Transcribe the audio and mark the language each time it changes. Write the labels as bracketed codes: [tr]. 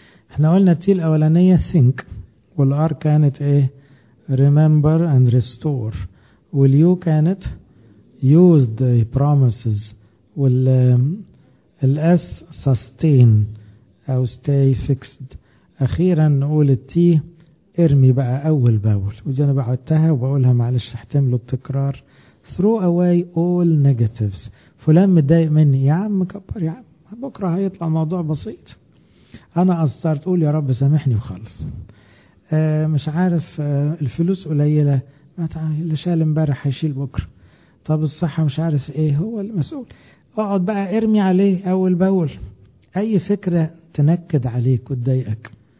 [ar] احنا قلنا التي الاولانية think، والار كانت ايه [en] remember and restore، [ar] واليو كانت [en] use the promises، [ar] والاس [en] sustain [ar] او [en] stay fixed. [ar] اخيرا نقول التي ارمي بقى اول باول، ودي انا بعدتها وبقولها معلش احتملوا التكرار. [en] throw away all negatives. [ar] فلان متضايق مني يا عم كبر يا عم، بكرة هيطلع موضوع بسيط، انا قصرت قول يا رب سامحني وخلص. مش عارف الفلوس قليلة، ما اللي شال امبارح هيشيل بكرة. طب الصحة مش عارف ايه، هو المسؤول. اقعد بقى ارمي عليه اول باول اي فكرة تنكد عليك وتضايقك.